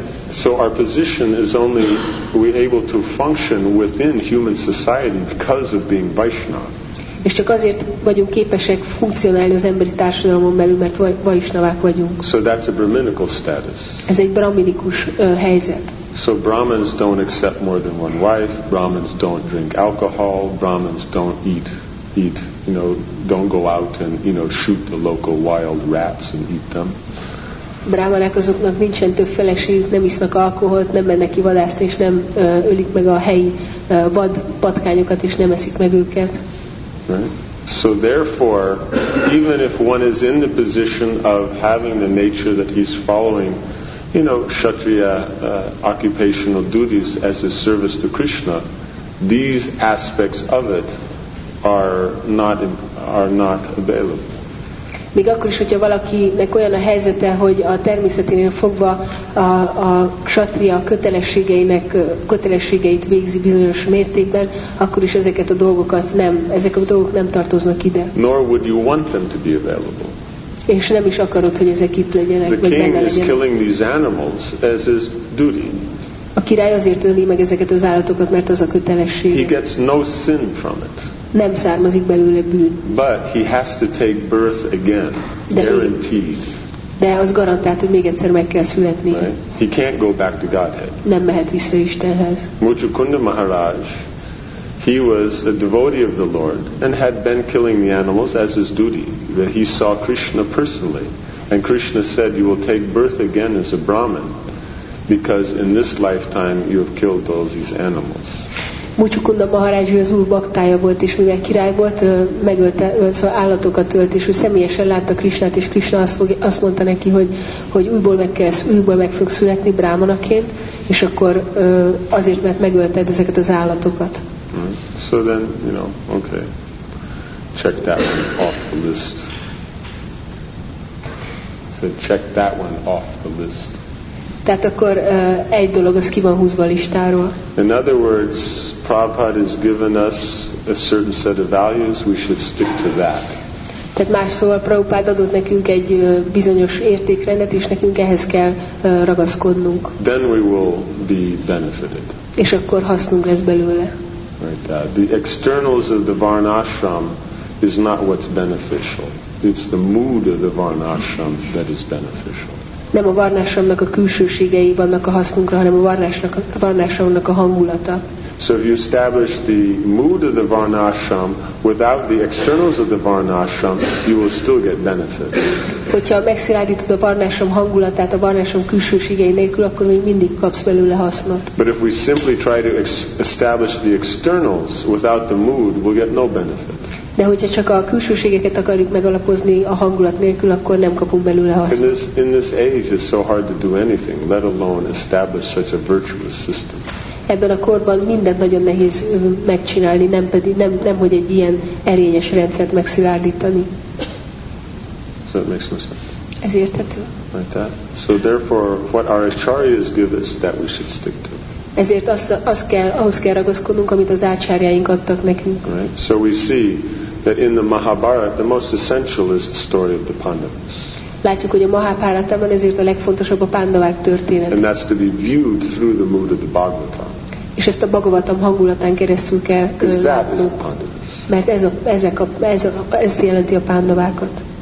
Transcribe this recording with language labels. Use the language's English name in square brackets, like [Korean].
[English] So our position is only we able to function within human society because of being Vaishnava. [Hungarian] És csak azért vagyunk képesek funkcionálni az emberi társadalmon belül, mert Vaishnavák vagyunk. [English] So that's a brahminical status. [Hungarian] Ez egy brahminikus helyzet. [English] So Brahmins don't accept more than one wife, Brahmins don't drink alcohol, Brahmins don't eat, you know, don't go out and, you know, shoot the local wild rats and eat them. [Hungarian] Brahmanák azoknak nincsen több feleségük, nem isznak alkoholt, nem mennek ki vadászni, és nem ölik meg a helyi vad patkányokat, és nem eszik meg őket. [English] Right. So therefore, even if one is in the position of having the nature that he's following, you know, kshatriya occupational duties as a service to Krishna, these aspects of it are not available. [Hungarian] Még akkor is, hogyha valakinek olyan a helyzete, hogy a természeténél fogva a ksatria kötelességeit végzi bizonyos mértékben, akkor is ezek a dolgok nem tartoznak ide. [English] Nor would you want them to be available. [Hungarian] És nem is akarod, hogy ezek itt legyenek, vagy benne legyenek. [English] The king is killing these animals as his duty. [Hungarian] A király azért öli meg ezeket az állatokat, mert az a kötelessége. [English] He gets no sin from it. [Hungarian] Nem származik belőle bűn. [English] But he has to take birth again, guaranteed. [Hungarian] De az garantált, hogy még egyszer meg kell születni. [English] Right? He can't go back to Godhead. [Hungarian] Nem mehet vissza Istenhez. [English] Mucukunda Maharaj, he was a devotee of the Lord and had been killing the animals as his duty. That he saw Krishna personally, and Krishna said, "You will take birth again as a Brahmin, because in this lifetime you have killed all these animals." [Hungarian] Mucukunda Maharaj, az úr baktája volt, és mivel király volt, megölte, szóval állatokat ölt, és ő személyesen látta Krisnát, és Krisna azt mondta neki, hogy újból meg fog születni brámanaként, és akkor azért, mert megölted ezeket az állatokat. [English] So then, you know, okay. Check that one off the list. So check that one off the list. [Hungarian] Tehát akkor egy dolog az ki van húzva a listáról. [English] In other words, Prabhupada has given us a certain set of values, we should stick to that. [Hungarian] Tehát más szóval Prabhupada adott nekünk egy bizonyos értékrendet, és nekünk ehhez kell ragaszkodnunk. [English] Then we will be benefited. [Hungarian] És akkor hasznunk lesz belőle. [English] Right, the externals of the varnashram is not what's beneficial. It's the mood of the varnashram that is beneficial. [Hungarian] Nem a varnásomnak a külsőségei vannak a hasznunkra, hanem a varnásomnak a hangulata. [English] So if you establish the mood of the varnásom without the externals of the varnásom, you will still get benefit. [Hungarian] Hogyha megszilárdítod a varnásom hangulatát a varnásom külsőségei nélkül, akkor még mindig kapsz belőle hasznot. [English] But if we simply try to establish the externals without the mood, we'll get no benefit. [Hungarian] De hogyha csak a külsőségeket akarjuk megalapozni a hangulat nélkül, akkor nem kapunk belőle hasznot. [English] In this age it's so hard to do anything, let alone establish such a virtuous system. [Hungarian] Ebben a korban mindent nagyon nehéz megcsinálni, nem hogy egy ilyen erényes rendszert megszilárdítani. [English] So it makes no sense. [Hungarian] Ez érthető. [English] Like that. So therefore, what our acharyas give us, that we should stick to. [Hungarian] Ezért ahhoz kell ragaszkodnunk, amit az ácsárjaink adtak nekünk. [English] Right. So we see that in the Mahabharata, the most essential is the story of the Pandavas. [Hungarian] Látjuk, hogy a Mahabharatában ezért a legfontosabb a Pandavák történet. [English] And that's to be viewed through the mood of the Bhagavatam. [Hungarian] És ezt a Bhagavatam hangulatán keresztül kell látnunk. Mert ez jelenti a Pandavákat.